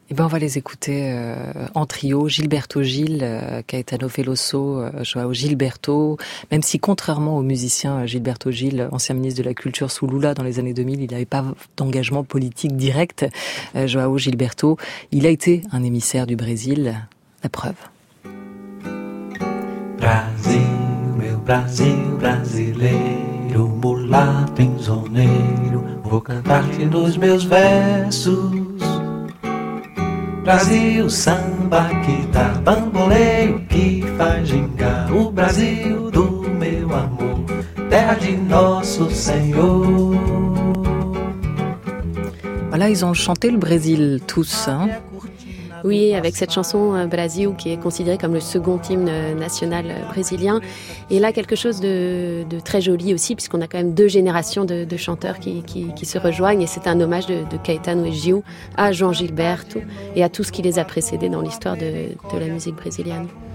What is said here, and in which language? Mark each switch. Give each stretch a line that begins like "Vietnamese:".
French: Et ben on va les écouter en trio. Gilberto Gil, Caetano Veloso, João Gilberto. Même si, contrairement au musicien Gilberto Gil, ancien ministre de la Culture sous Lula dans les années 2000, il n'avait pas d'engagement politique direct, João Gilberto, il a été un émissaire du Brésil. La preuve.
Portuguese: Brasil. Brasil, brasileiro, mulato enzoneiro, vou cantar-te nos meus versos. Brasil, samba que dá bamboleio, que faz gingar o Brasil do meu amor, terra de nosso Senhor.
French: Voilà, ils ont chanté le Brésil tous, hein? Oui, avec cette chanson Brasil, qui est considérée comme le second hymne national brésilien. Et là, quelque chose de très joli aussi, puisqu'on a quand même deux générations de chanteurs qui se rejoignent. Et c'est un hommage de Caetano et Gil à João Gilberto et à tout ce qui les a précédés dans l'histoire de la musique brésilienne.